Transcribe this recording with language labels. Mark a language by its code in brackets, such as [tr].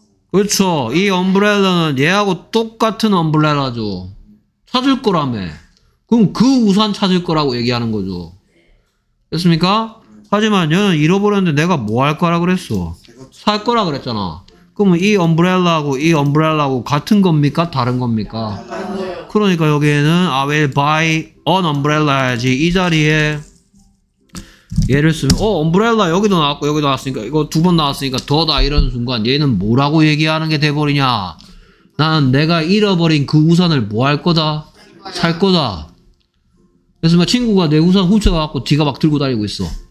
[ko] 그렇죠. 이 엄브렐라는 얘하고 똑같은 엄브렐라죠. 찾을 거라며. 그럼 그 우산 찾을 거라고 얘기하는 거죠. 됐습니까? 하지만 얘는 잃어버렸는데 내가 뭐 할 거라 그랬어? 살 거라 그랬잖아. 그럼 이 엄브렐라하고 이 엄브렐라하고 같은 겁니까? 다른 겁니까? 그러니까 여기에는 [en] I will buy an umbrella [ko] 해야지. 이 자리에 얘를 쓰면 엄브렐라 여기도 나왔고 여기도 나왔으니까 이거 두 번 나왔으니까 더다 이런 순간 얘는 뭐라고 얘기하는 게 돼버리냐. 나는 내가 잃어버린 그 우산을 뭐 할 거다? 살 거다. 그래서 막 친구가 내 우산 훔쳐갖고 지가 막 들고 다니고 있어.